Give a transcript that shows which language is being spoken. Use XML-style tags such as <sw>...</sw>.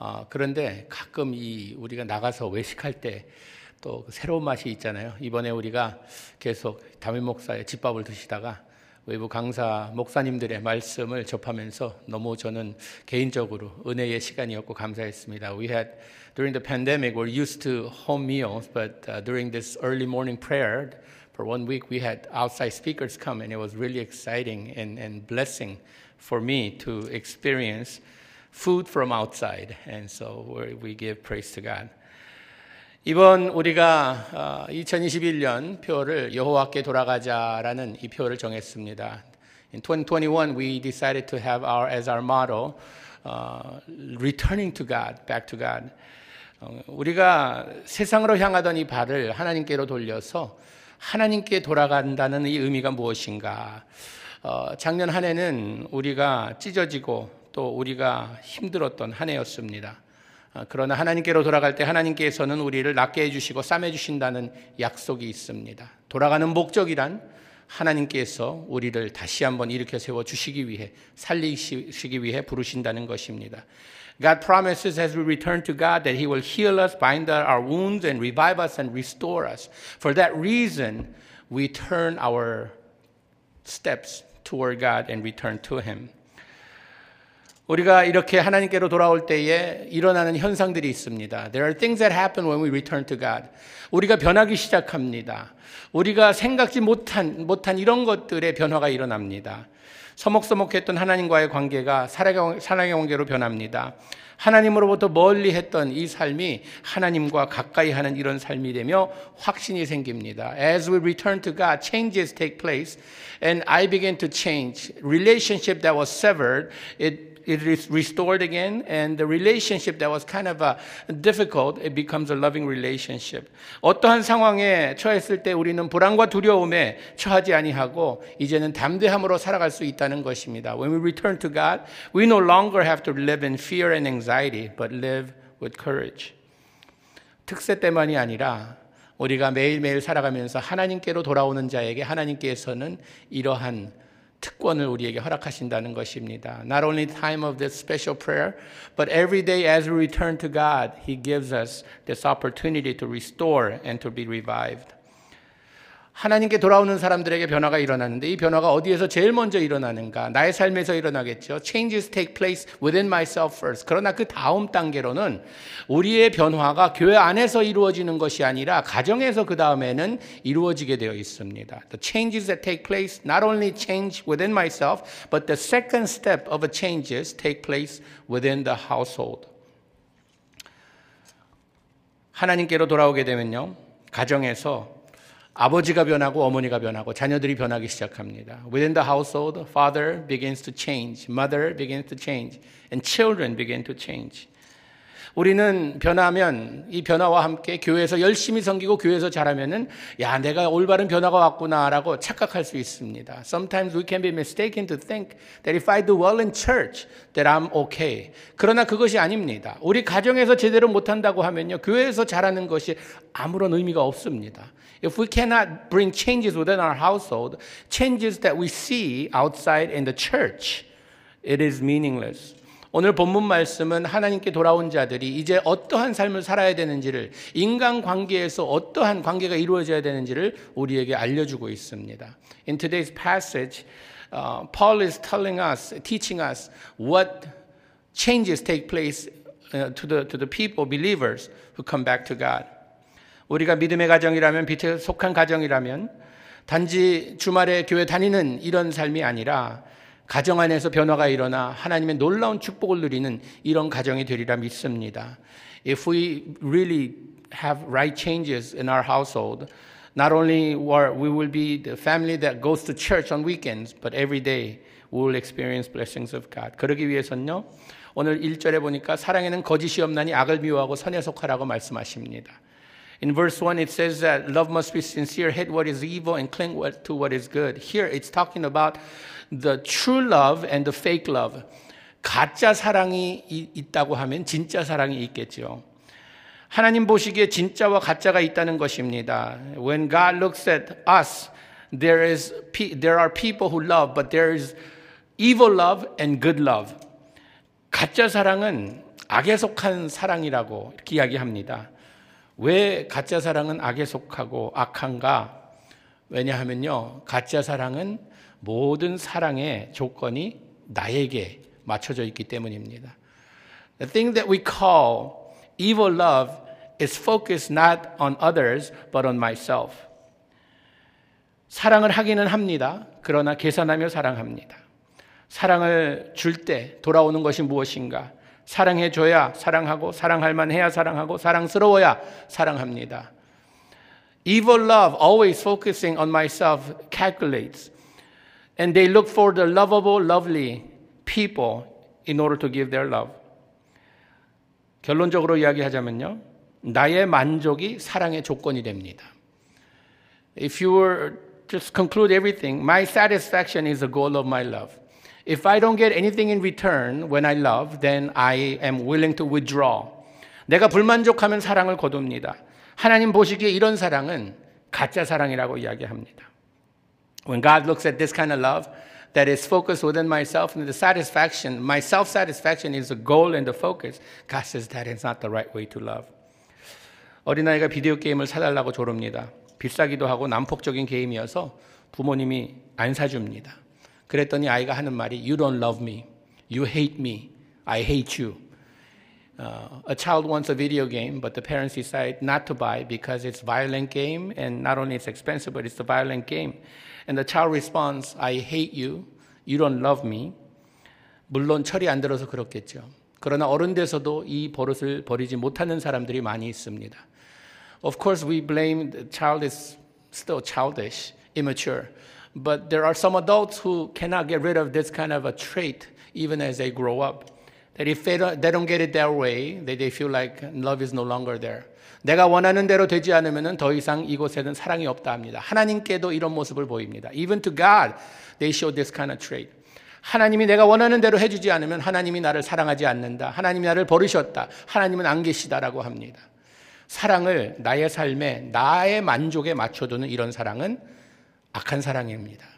<ko>그런데 가끔 이 우리가 나가서 외식할 때 또 새로운 맛이 있잖아요. 이번에 우리가 계속 담임 목사의 집밥을 드시다가 외부 강사 목사님들의 말씀을 접하면서 너무 저는 개인적으로 은혜의 시간이었고 감사했습니다.</ko> <en>We had during the pandemic we're used to home meals, but during this early morning prayer for 1 week we had outside speakers come and it was really exciting and blessing for me to experience food from outside. And so we give praise to God.</en> <ko>이번 우리가 2021년 표를 여호와께 돌아가자라는 이 표를 정했습니다.</ko> <en>In 2021, we decided to have our as our motto, returning to God, back to God.</en> <ko>우리가 세상으로 향하던 이 발을 하나님께로 돌려서 하나님께 돌아간다는 이 의미가 무엇인가? 작년 한 해는 우리가 찢어지고 또 우리가 힘들었던 한 해였습니다. 그러나 하나님께로 돌아갈 때 하나님께서는 우리를 낫게 해주시고 싸매주신다는 약속이 있습니다. 돌아가는 목적이란 하나님께서 우리를 다시 한번 일으켜 세워주시기 위해 살리시기 위해 부르신다는 것입니다.</ko> <en>God promises as we return to God that he will heal us, bind our wounds and revive us and restore us. For that reason, we turn our steps toward God and return to him.</en> <ko>우리가 이렇게 하나님께로 돌아올 때에 일어나는 현상들이 있습니다.</ko> <en>There are things that happen when we return to God.</en> <ko>우리가 변하기 시작합니다. 우리가 생각지 못한 이런 것들의 변화가 일어납니다. 서먹서먹했던 하나님과의 관계가 사랑의 관계로 변합니다. 하나님으로부터 멀리했던 이 삶이 하나님과 가까이 하는 이런 삶이 되며 확신이 생깁니다.</ko> <en>As we return to God, changes take place and I begin to change. Relationship that was severed, it is restored again, and the relationship that was kind of difficult, it becomes a loving relationship.</en> <ko>어떠한 상황에 처했을 때 우리는 불안과 두려움에 처하지 아니하고 이제는 담대함으로 살아갈 수 있다는 것입니다.</ko> <en>When we return to God, we no longer have to live in fear and anxiety, but live with courage.</en> <ko>특세 때만이 아니라 우리가 매일매일 살아가면서 하나님께로 돌아오는 자에게 하나님께서는 이러한 특권을 우리에게 허락하신다는 것입니다.</ko> <en>Not only the time of this special prayer, but every day as we return to God, He gives us this opportunity to restore and to be revived.</en> <ko>하나님께 돌아오는 사람들에게 변화가 일어나는데 이 변화가 어디에서 제일 먼저 일어나는가? 나의 삶에서 일어나겠죠.</ko> <en>Changes take place within myself first.</en> <ko>그러나 그 다음 단계로는 우리의 변화가 교회 안에서 이루어지는 것이 아니라 가정에서 그 다음에는 이루어지게 되어 있습니다.</ko> <en>The changes that take place not only change within myself, but the second step of a changes take place within the household.</en> <ko>하나님께로 돌아오게 되면요. 가정에서 아버지가 변하고 어머니가 변하고 자녀들이 변하기 시작합니다.</ko> <en>Within the household, father begins to change, mother begins to change, and children begin to change.</en> <ko>우리는 변하면 이 변화와 함께 교회에서 열심히 섬기고 교회에서 자라면은 야 내가 올바른 변화가 왔구나라고 착각할 수 있습니다.</ko> <en>Sometimes we can be mistaken to think that if I do well in church that I'm okay.</en> <ko>그러나 그것이 아닙니다. 우리 가정에서 제대로 못한다고 하면요 교회에서 자라는 것이 아무런 의미가 없습니다.</ko> <en>If we cannot bring changes within our household, changes that we see outside in the church, it is meaningless.</en> <ko>오늘 본문 말씀은 하나님께 돌아온 자들이 이제 어떠한 삶을 살아야 되는지를 인간관계에서 어떠한 관계가 이루어져야 되는지를 우리에게 알려주고 있습니다.</ko> <en>In today's passage, Paul is telling us, teaching us what changes take place to the people, believers who come back to God.</en> <ko>우리가 믿음의 가정이라면, 빛에 속한 가정이라면 단지 주말에 교회 다니는 이런 삶이 아니라 가정 안에서 변화가 일어나 하나님의 놀라운 축복을 누리는 이런 가정이 되리라 믿습니다.</ko> <en>If we really have right changes in our household, not only we will be the family that goes to church on weekends, but every day we will experience blessings of God.</en> <ko>그러기 위해서는요, 오늘 1절에 보니까 사랑에는 거짓이 없나니 악을 미워하고 선에 속하라고 말씀하십니다.</ko> <en>In verse 1, it says that love must be sincere, hate what is evil, and cling to what is good. Here, it's talking about the true love and the fake love.</en> <ko>가짜 사랑이 있다고 하면 진짜 사랑이 있겠죠. 하나님 보시기에 진짜와 가짜가 있다는 것입니다.</ko> <en>When God looks at us, there are people who love, but there is evil love and good love.</en> <ko>가짜 사랑은 악에 속한 사랑이라고 이렇게 이야기합니다. 왜 가짜 사랑은 악에 속하고 악한가? 왜냐하면요, 가짜 사랑은 모든 사랑의 조건이 나에게 맞춰져 있기 때문입니다.</ko> <en>The thing that we call evil love is focused not on others but on myself.</en> <ko>사랑을 하기는 합니다. 그러나 계산하며 사랑합니다. 사랑을 줄 때 돌아오는 것이 무엇인가? 사랑해줘야 사랑하고 사랑할 만해야 사랑하고 사랑스러워야 사랑합니다.</ko> <en>Evil love always focusing on myself calculates. And they look for the lovable, lovely people in order to give their love.</en> <ko>결론적으로 이야기하자면요. 나의 만족이 사랑의 조건이 됩니다.</ko> <en>If you were just conclude everything, my satisfaction is the goal of my love. If I don't get anything in return when I love, then I am willing to withdraw.</en> <ko>내가 불만족하면 사랑을 거둡니다. 하나님 보시기에 이런 사랑은 가짜 사랑이라고 이야기합니다.</ko> <en>When God looks at this kind of love that is focused within myself and the satisfaction, my self-satisfaction is the goal and the focus, God says that is not the right way to love.</en> <ko>어린아이가 비디오 게임을 사달라고 조릅니다. 비싸기도 하고 난폭적인 게임이어서 부모님이 안 사줍니다. 그랬더니 아이가 하는 말이</ko> <en>You don't love me. You hate me. I hate you. A child wants a video game, but the parents decide not to buy because it's a violent game, and not only it's expensive, but it's a violent game. And the child responds, I hate you. You don't love me.</en> <ko>물론 철이 안 들어서 그렇겠죠. 그러나 어른 돼서도 이 버릇을 버리지 못하는 사람들이 많이 있습니다.</ko> <en>Of course, we blame the child is still childish, immature. But there are some adults who cannot get rid of this kind of a trait even as they grow up. That if they don't get it their way, they feel like love is no longer there.</en> <ko>내가 원하는 대로 되지 않으면 더 이상 이곳에는 사랑이 없다 합니다. 하나님께도 이런 모습을 보입니다.</ko> <en>Even to God, they show this kind of trait.</en> <ko>하나님이 내가 원하는 대로 해주지 않으면 하나님이 나를 사랑하지 않는다. 하나님이 나를 버리셨다. 하나님은 안 계시다라고 합니다. 사랑을 나의 삶에, 나의 만족에 맞춰두는 이런 사랑은 악한 사랑입니다.</ko>